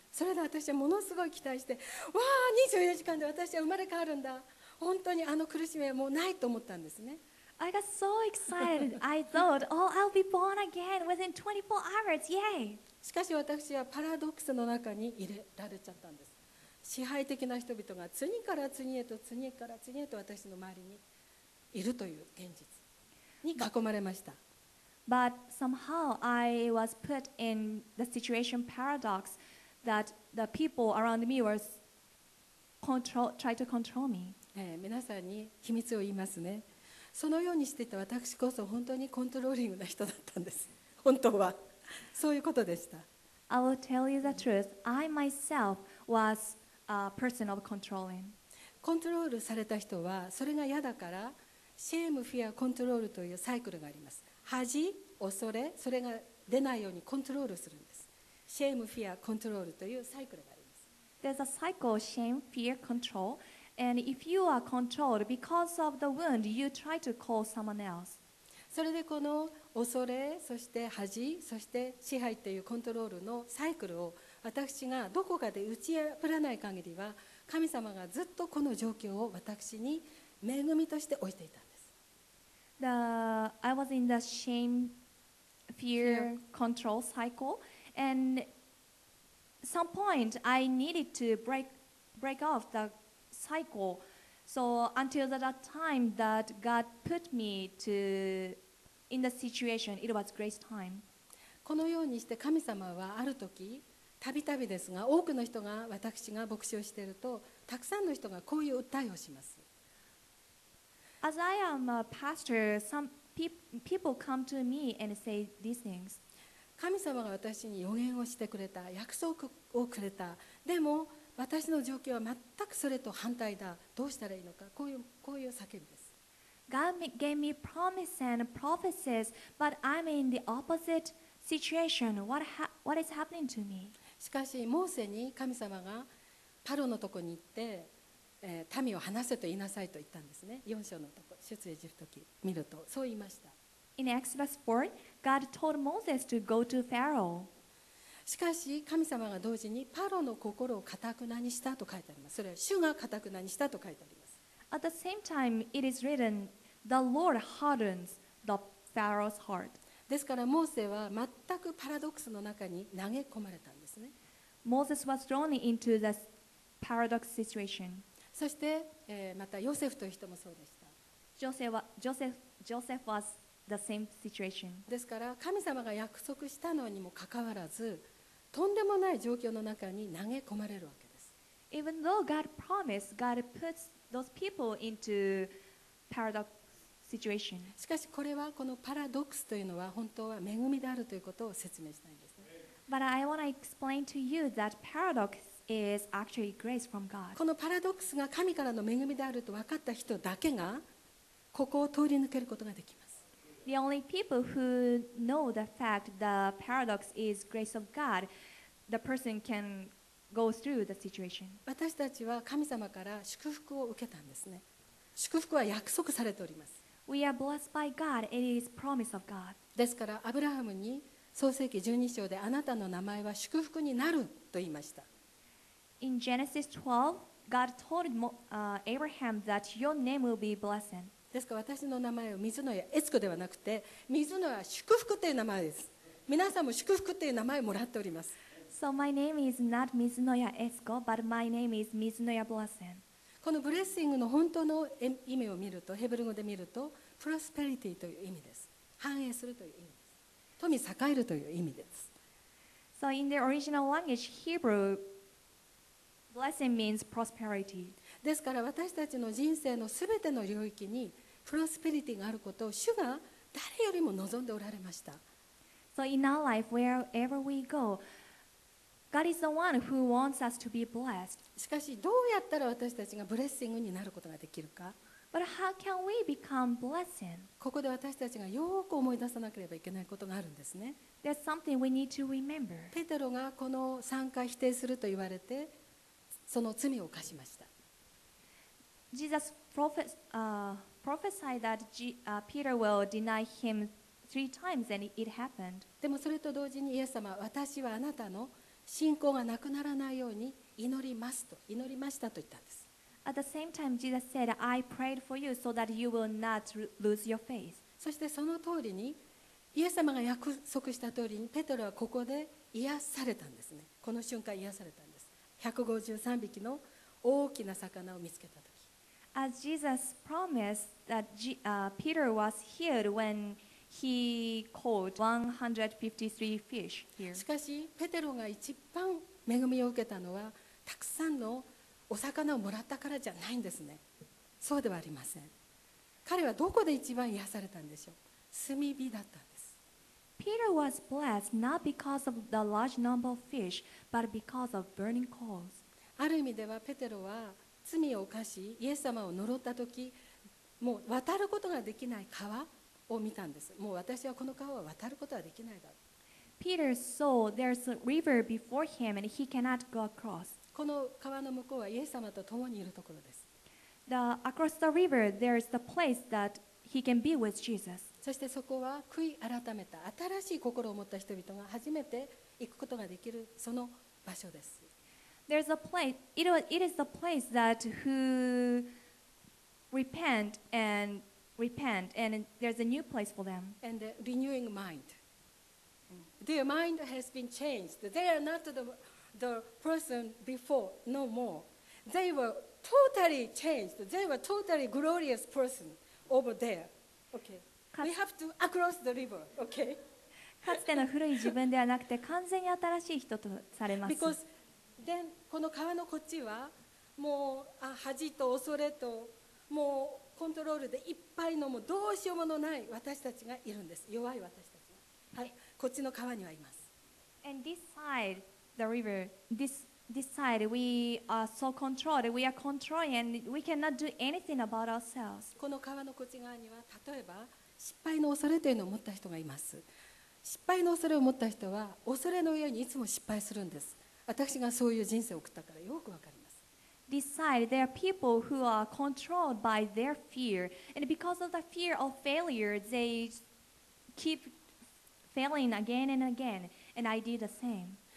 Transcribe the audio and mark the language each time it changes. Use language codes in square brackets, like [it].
[ja] それで私はものすごい期待して、わあ、24時間で私は生まれ変わるんだ。本当にあの苦しみはもうないと思ったんですね。 [en] I got so excited. I thought, oh, I'll be born again within 24 hours. Yay! [ja] しかし私はパラドックスの中に入れられちゃったんです。支配的な人々が次から次へと次から次へと私の周りにいるという現実に囲まれました。 [en] But somehow I was put in the situation paradox that the people around me was trying to control me. [ja] 皆さんに秘密を言いますね。そのようにしていた私こそ本当にコントローリングな人だったんです。本当はそういうことでした。 [en] I will tell you the truth. I myself was a person of controlling. [ja] コントロールされた人はそれが嫌だから、シェーム、フィア、コントロールというサイクルがあります。恥、恐れ、それが出ないようにコントロールするんです。シェーム、フィア、コントロールというサイクルがあります。 [en] There's a cycle of shame, fear, control. And if you are controlled because of the wound, you try to call someone else. [ja] それでこの恐れ、そして恥、そして支配というコントロールのサイクルを私がどこかで打ち破らない限りは、神様がずっとこの状況を私に恵みとして置いていたんです。 [en] I was in the shame, fear, control cycle, and some point I needed to break off the cycle. So until that time that God put me to in the situation, it was grace time. [ja] このようにして神様はある時、たびたびですが、多くの人が私が牧師をしていると、たくさんの人がこういう訴えをします。 [en] As I am a pastor, some people come to me and say these things. [ja] 神様が私に予言をしてくれた、約束をくれた。でも私の状況は全くそれと反対だ。どうしたらいいのか。こういう叫びです。 [en] God gave me promise and prophecies, but I'm in the opposite situation. What is happening to me? [ja] しかしモーセに神様がパロのとこに行って、民を話せと言いなさいと言ったんですね。 4章のとこ、出エジプト記見るとそう言いました。 [en] In Exodus 4, God told Moses to go to Pharaoh. [ja] しかし神様が同時にパロの心を固くなにしたと書いてあります。それは主が固くなにしたと書いてあります。 [en] At the same time, it is written, the Lord hardens the Pharaoh's heart. [ja] ですからモーセは全くパラドックスの中に投げ込まれたんですね。 [en] Moses was thrown into the paradox situation. [ja] そして、またヨセフという人もそうでした。 [en] ジョセフ was the same situation. [ja] ですから神様が約束したのにもかかわらず、とんでもない状況の中に投げ込まれるわけです。 [en] Even though God promised, God puts those people into paradox situation. [ja] しかしこれは、このパラドックスというのは本当は恵みであるということを説明したいんですね。 [en] But I want to explain to you that paradoxIs actually grace from God. [ja] このパラドックスが神からの恵みであると分かった人だけがここを通り抜けることができます。 [en] The only people who know the fact the paradox is grace of God, the person can go through the situation. [ja] 私たちは神様から祝福を受けたんですね。祝福は約束されております。 [en] We are blessed by God. It is promise of God. [ja] ですからアブラハムに創世記12章であなたの名前は祝福になると言いました。 [en] In Genesis 12, God told Abraham that your name will be blessed. [ja] ですから私の名前は水の家エツコではなくて、水の家祝福という名前です。皆さんも祝福という名前をもらっております。 [en] So my name is not 水の家エツコ, but my name is 水の家 blessed. [ja] このブレッシングの本当の意味を見ると、ヘブル語で見ると、プロスペリティという意味です。繁栄するという意味です。富栄えるという意味です。 [en] So in the original language, Hebrew,Blessing means prosperity. [ja] ですから私たちの人生のすべての領域にプロスペリティがあることを主が誰よりも望んでおられました。 [en] So in our life, wherever we go, God is the one who wants us to be blessed. [ja] しかしどうやったら私たちがブレッシングになることができるか。 [en] But how can we become blessed? [ja] ここで私たちがよく思い出さなければいけないことがあるんですね。 [en] There's something we need to remember. [ja] ペテロがこの3回否定すると言われて、その罪を犯しました。 [en] Jesus prophesied that Peter will deny him three times and it happened. [ja] でもそれと同時にイエス様は、私はあなたの信仰がなくならないように祈りますと、祈りましたと言ったんです。 [en] At the same time, Jesus said, I prayed for you so that you will not lose your faith. [ja] そしてその通りに、イエス様が約束した通りに、ペテロはここで癒されたんですね。この瞬間癒されたんです。153匹の大きな魚を見つけたとき。 [en] As Jesus promised that Peter was healed when he caught 153 fish here. [ja] しかし、ペテロが一番恵みを受けたのは、たくさんのお魚をもらったからじゃないんですね。そうではありません。彼はどこで一番癒されたんでしょう。炭火だったんです。 [en] Peter was blessed not because of the large number of fish, but because of burning coals. [ja] ある意味ではペテロは罪を犯し、イエス様を呪った時、もう渡ることができない川を見たんです。もう私はこの川は渡ることはできないだろう。 [en] Peter saw there's a river before him and he cannot go across. [ja] この川の向こうはイエス様と共にいるところです。 [en] The, across the river, there's the place that he can be with Jesus. [ja] そしてそこは悔い改めた、新しい心を持った人々が初めて行くことができるその場所です。 [en] There's a place, it is the place that who repent and there's a new place for them. And the renewing mind. Their mind has been changed. They are not the person before, no more. They were totally changed. They were totally glorious person over there. Okay. We have to across the river, okay? [ja] かつての古い自分ではなくて完全に新しい人とされます。 [en] Because then, [ja] この川のこっちはもう恥と恐れともうコントロールでいっぱいのもうどうしようものない私たちがいるんです。弱い私たちが。はい。こっちの川にはいます。 [en] And this side, the river, this side, we are so controlled. We are controlling, and we cannot do anything about ourselves. [ja] この川のこっち側には、例えば失敗の恐れというのを持った人がいます。失敗の恐れを持った人は、恐れの上にいつも失敗するんです。私がそういう人生を送ったからよくわかります。 [en] This side, there are people who are controlled by their fear, and because of the fear of failure, they keep failing again and again, and I did the same.